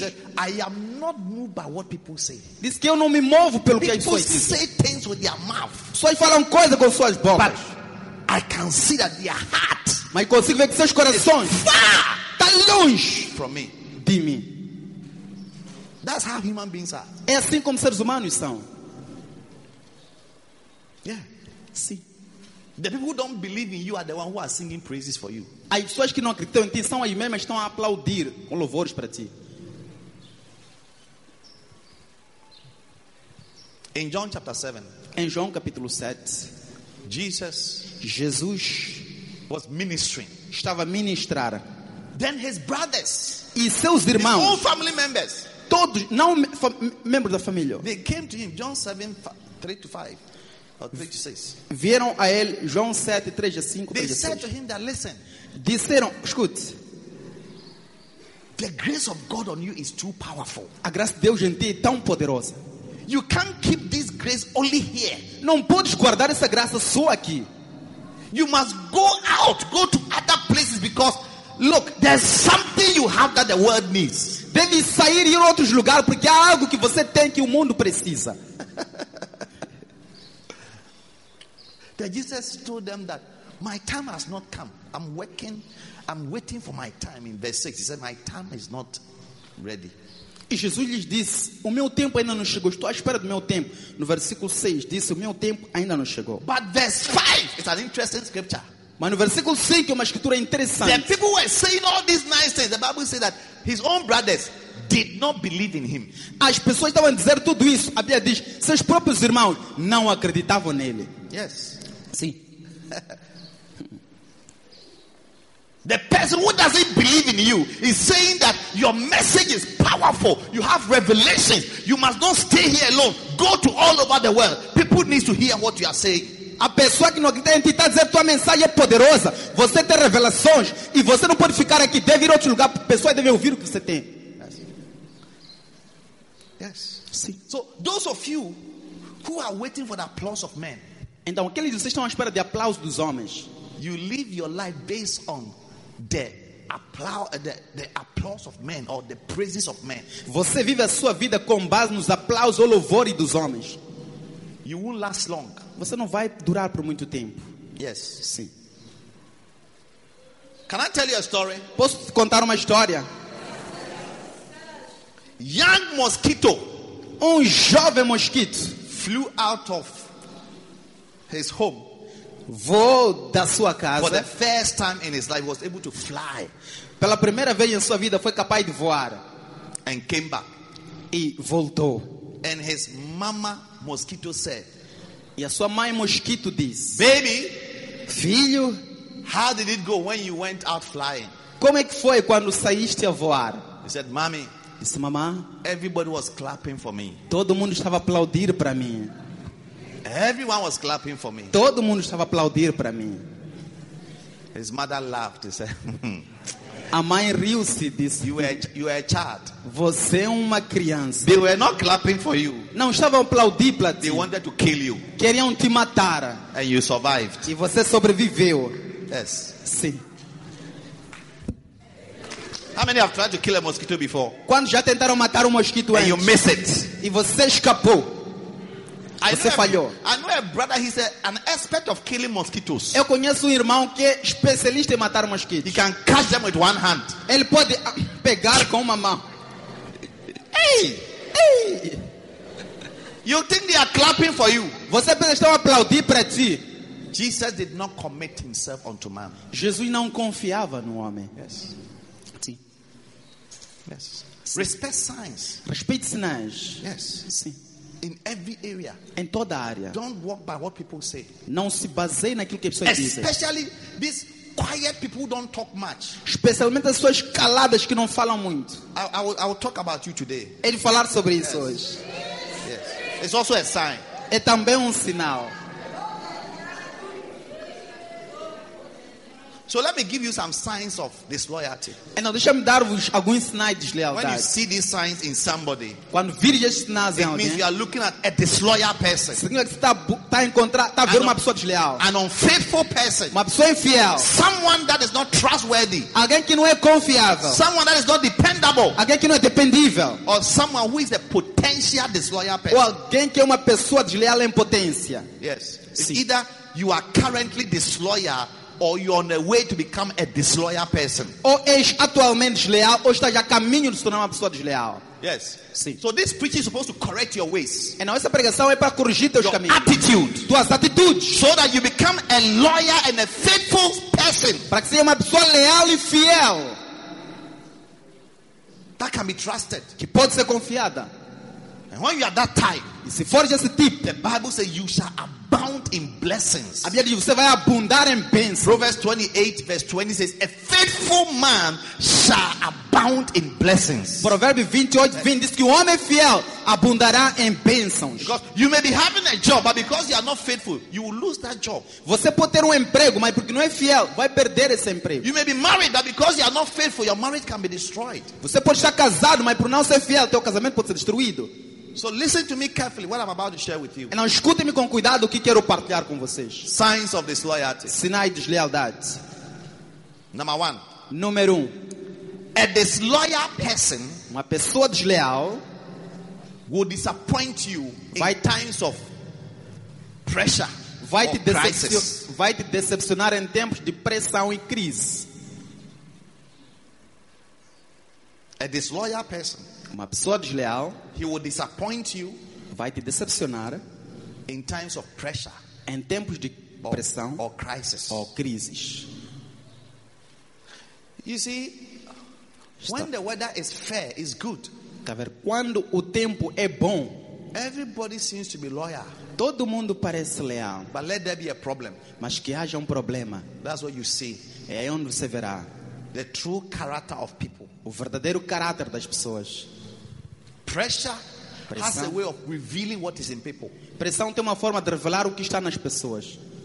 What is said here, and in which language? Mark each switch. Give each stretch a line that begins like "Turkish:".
English: I am not moved by what people say.
Portuguese: Diz que eu não me movo pelo que as pessoas dizem.
English: People say things with their mouth.
Portuguese: Só falam coisas com suas bocas.
English: But I can see that their heart.
Portuguese: Mas eu consigo ver que seus corações. Longe
English: from me.
Portuguese: De mim.
English: That's how human beings are.
Portuguese: É assim como seres humanos são.
English: Yeah. See. The people who don't believe in you are the ones who are singing praises for you.
Portuguese: As pessoas que não acreditam em ti são as mesmas que estão a aplaudir com louvores para ti.
English: In John chapter 7.
Portuguese: Em João capítulo 7.
English: Jesus was ministering.
Portuguese: Estava a ministrar.
English: Then his brothers,
Portuguese: e seus irmãos,
English: his own family members,
Portuguese: todos, não membros da família,
English: they came to him, John 7, 3 to 5, or 3 to 6.
Portuguese: Vieram a ele, João 7, 3 a 5, 3
English: they said to him that, listen,
Portuguese: disseram, escute,
English: The grace of God on you is too powerful.
Portuguese: A graça de Deus em ti é tão poderosa.
English: You can't keep this grace only here.
Portuguese: Não podes guardar essa graça só aqui.
English: You must go out, go to other places because look, there's something you have that the world needs.
Portuguese: Deve sair e ir a outros lugares porque há algo que você tem que o mundo precisa.
English: That Jesus told them that my time has not come. I'm working, I'm waiting for my time in verse 6. He said, my time is not ready.
Portuguese: E Jesus lhes disse, o meu tempo ainda não chegou. Estou à espera do meu tempo. No versículo 6, disse, o meu tempo ainda não chegou.
English: But verse 5, it's an interesting scripture.
Portuguese: Mas no versículo 5, é uma escritura interessante.
English: The people were saying all these nice things. The Bible says that his own brothers did not believe in him.
Portuguese: As pessoas estavam dizendo tudo isso. A Bíblia diz, seus próprios irmãos não acreditavam nele.
English: Yes.
Portuguese: Sim.
English: The person who doesn't believe in you is saying that your message is powerful. You have revelations. You must not stay here alone. Go to all over the world. People need to hear what you are saying.
Portuguese: A pessoa que não acredita em ti está dizendo que tua mensagem é poderosa. Você tem revelações e você não pode ficar aqui. Deve ir a outro lugar. Pessoas devem ouvir o que você tem.
English: Yes. Yes.
Portuguese: Sim.
English: So, those of you who are waiting for the applause of men.
Portuguese: Então, aqueles que estão à espera de aplausos dos homens.
English: You live your life based on the applause of men or the praises of men.
Portuguese: Você vive a sua vida com base nos aplausos ou louvores dos homens.
English: You won't last long.
Portuguese: Você não vai durar por muito tempo.
English: Yes.
Portuguese: Sim.
English: Can I tell you a story?
Portuguese: Posso contar uma história?
English: Young mosquito.
Portuguese: Um jovem mosquito
English: flew out of his home.
Portuguese: Voou da sua casa.
English: For the first time in his life, was able to fly.
Portuguese: Pela primeira vez em sua vida, foi capaz de voar.
English: And came back.
Portuguese: E voltou.
English: And his mama mosquito said.
Portuguese: E a sua mãe mosquito disse.
English: Baby,
Portuguese: filho,
English: how did it go when you went out flying?
Portuguese: Como é que foi quando saíste a voar?
English: He said, mommy.
Portuguese: Disse mamã.
English: Everybody was clapping for me.
Portuguese: Todo mundo estava aplaudindo para mim.
English: Everyone was clapping for me.
Portuguese: Todo mundo estava aplaudindo para mim.
English: His mother laughed. He said,
Portuguese: a mãe riu-se e disse,
English: you are a child.
Portuguese: Você é uma criança.
English: They were not clapping for you.
Portuguese: Não estavam aplaudindo para ti.
English: They wanted to kill you.
Portuguese: Queriam te matar.
English: And you survived.
Portuguese: E você sobreviveu.
English: Yes.
Portuguese: Sim.
English: How many have tried to kill a mosquito before?
Portuguese: Quando já tentaram matar um mosquito antes?
English: And you miss it.
Portuguese: E você escapou.
English: I know a brother, he's an expert of killing mosquitoes.
Portuguese: Eu conheço um irmão que é especialista em matar mosquitos.
English: He can catch them with one hand.
Portuguese: Ele pode pegar com uma mão. Hey! Hey!
English: You think they are clapping for you?
Portuguese: Você pensa que estão aplaudindo para ti?
English: Jesus did not commit himself unto man.
Portuguese: Jesus não confiava no homem.
English: Yes.
Portuguese: Sim.
English: Yes. Respect signs.
Portuguese: Respeite sinais.
English: Yes.
Portuguese: Sim.
English: In every area.
Portuguese: Em toda área.
English: Don't walk by what people say.
Portuguese: Não se baseie naquilo que as pessoas dizem.
English: Especially these quiet people who don't talk much.
Portuguese: Especialmente as pessoas caladas que não falam muito.
English: I will talk about you today.
Portuguese: Eu vou falar sobre isso hoje.
English: Yes. It's also a sign.
Portuguese: É também sinal.
English: So let me give you some signs of disloyalty.
Portuguese: Então deixa-me dar-vos alguns sinais de deslealdade.
English: When you see these signs in somebody,
Portuguese: quando vires esses sinais em alguém,
English: it means you are looking at a disloyal person.
Portuguese: Significa que está a encontrar, está a ver uma pessoa desleal.
English: An unfaithful person.
Portuguese: Uma pessoa infiel.
English: Someone that is not trustworthy.
Portuguese: Alguém que não é confiável.
English: Someone that is not dependable.
Portuguese: Alguém que não é dependível.
English: Or someone who is a potential disloyal person.
Portuguese: Ou alguém que é uma pessoa desleal em potência.
English: Yes.
Portuguese: Sim.
English: It's either you are currently disloyal. Or you're on the way to become a disloyal person.
Portuguese: Ou és atualmente desleal ou estás a caminho de se tornar uma pessoa desleal.
English: Yes.
Portuguese: Sim.
English: So this preaching is supposed to correct your ways.
Portuguese: E não, essa pregação é para corrigir teus
English: your
Portuguese: caminhos.
English: Attitude.
Portuguese: Tuas atitudes.
English: So that you become a loyal and a faithful person.
Portuguese: Para que seja uma pessoa leal e fiel.
English: That can be trusted.
Portuguese: Que pode ser confiada.
English: And when you are that type,
Portuguese: e se for esse tipo,
English: the Bible says you shall abound in blessings.
Portuguese: A Bíblia diz, você vai abundar em bênçãos.
English: Proverbs 28 verse 20 says, a faithful man shall abound. abound in blessings.
Portuguese: Provérbios 28:20 diz que o homem fiel abundará em bênçãos.
English: Because you may be having a job, but because you are not faithful, you will lose that job.
Portuguese: Você pode ter emprego, mas porque não é fiel, vai perder esse emprego.
English: You may be married, but because you are not faithful, your marriage can be destroyed.
Portuguese: Você pode estar casado, mas por não ser fiel, teu casamento pode ser destruído.
English: So listen to me carefully what I'm about to share with you.
Portuguese: Então escute-me com cuidado o que quero partilhar com vocês.
English: Signs of disloyalty.
Portuguese: Sinais de deslealdade.
English: Number one.
Portuguese: Número um.
English: A disloyal person,
Portuguese: uma pessoa desleal,
English: will disappoint you by times of pressure.
Portuguese: Vai te decepcionar em tempos de pressão e crise.
English: A disloyal person,
Portuguese: uma pessoa desleal,
English: he will disappoint you,
Portuguese: vai te decepcionar
English: in times of pressure,
Portuguese: em tempos de pressão
English: or crisis.
Portuguese: Ou crises.
English: You see, when the weather is fair, it's good.
Portuguese: Quando o tempo é bom,
English: everybody seems to be loyal.
Portuguese: Todo mundo parece leal.
English: But let there be a problem.
Portuguese: Mas que haja problema.
English: That's what you see.
Portuguese: É onde você verá.
English: The true character of people.
Portuguese: O verdadeiro caráter das pessoas.
English: Pressure has a way of revealing what is in people.
Portuguese: Pressão tem uma forma de revelar o que está nas pessoas.